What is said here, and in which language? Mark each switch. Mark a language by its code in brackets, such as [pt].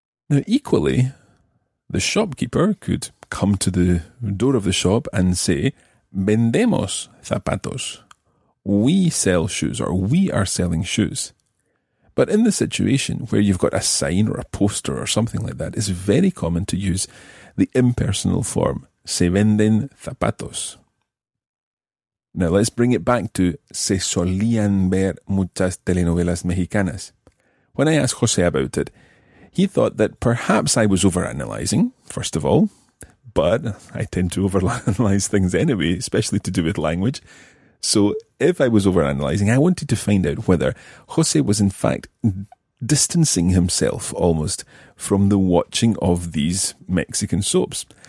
[en] Now equally, the shopkeeper could come to the door of the shop and say, [es] vendemos zapatos. [en] We sell shoes, or we are selling shoes. But in the situation where you've got a sign or a poster or something like that, it's very common to use the impersonal form, [es] se venden zapatos. [en] Now let's bring it back to [es] se solían ver muchas telenovelas mexicanas. [en] When I asked José about it, he thought that perhaps I was overanalyzing, first of all, but I tend to overanalyze things anyway, especially to do with language. So if I was overanalyzing, I wanted to find out whether José was in fact distancing himself almost from the watching of these Mexican soaps.